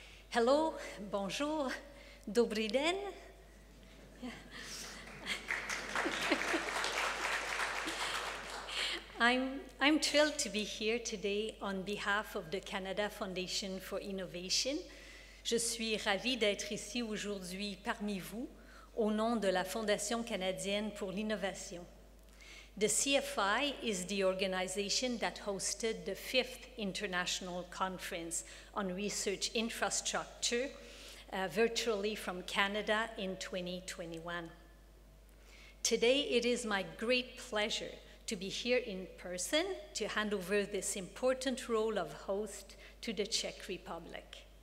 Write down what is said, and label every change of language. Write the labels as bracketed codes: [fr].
[en] Hello, [fr] bonjour, [cs] dobrý den. [en] I'm thrilled to be here today on behalf of the Canada Foundation for Innovation. [fr] Je suis ravie d'être ici aujourd'hui parmi vous au nom de la Fondation canadienne pour l'innovation. [en] The CFI is the organization that hosted the 5th International Conference on Research Infrastructure virtually from Canada in 2021. Today, it is my great pleasure to be here in person to hand over this important role of host to the Czech Republic.